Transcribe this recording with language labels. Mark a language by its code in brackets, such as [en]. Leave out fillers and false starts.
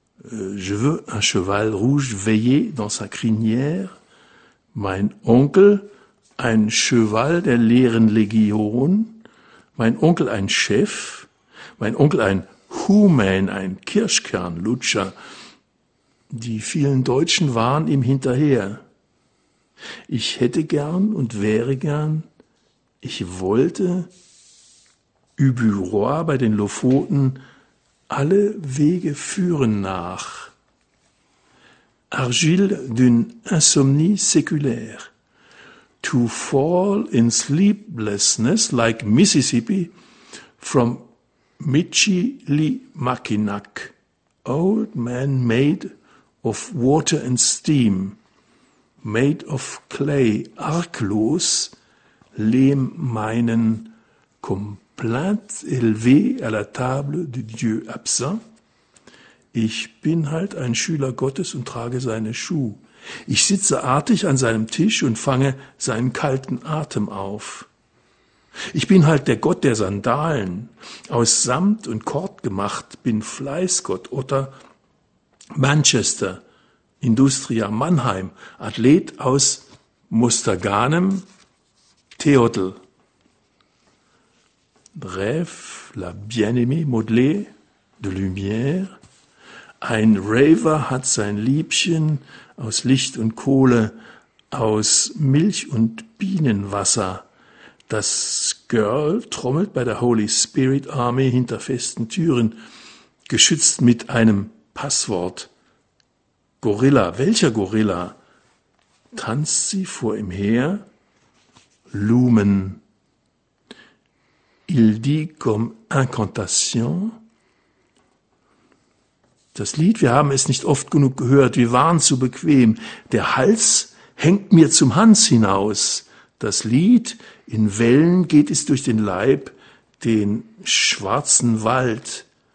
[fr] Je veux un cheval rouge veillé dans sa crinière. [de] Mein Onkel, ein Cheval der leeren Legion. Mein Onkel, ein Chef. Mein Onkel, ein Human, ein Kirschkernlutscher. Die vielen Deutschen waren ihm hinterher. Ich hätte gern und wäre gern, ich wollte, übu roi bei den Lofoten, alle Wege führen nach. [fr] Argile d'une insomnie séculaire. [en] To fall in sleeplessness like Mississippi from Michilimackinac, old man made of water and steam, made of clay, [de] arglos, Lehmmeinen, [fr] comme plainte élevée à la table du Dieu absent. [de] Ich bin halt ein Schüler Gottes und trage seine Schuhe. Ich sitze artig an seinem Tisch und fange seinen kalten Atem auf. Ich bin halt der Gott der Sandalen, aus Samt und Kord gemacht, bin Fleißgott oder Manchester, Industria Mannheim, Athlet aus Mustaganem, Theodel. [fr] Rêve, la bien-aimée modelée de lumière. [de] Ein Raver hat sein Liebchen aus Licht und Kohle, aus Milch und Bienenwasser. Das Girl trommelt bei der Holy Spirit Army hinter festen Türen, geschützt mit einem Passwort. Gorilla, welcher Gorilla? Tanzt sie vor ihm her? Lumen. [fr] Il dit comme incantation. [de] Das Lied, wir haben es nicht oft genug gehört, wir waren zu bequem. Der Hals hängt mir zum Hans hinaus. Das Lied, in Wellen geht es durch den Leib, den schwarzen Wald.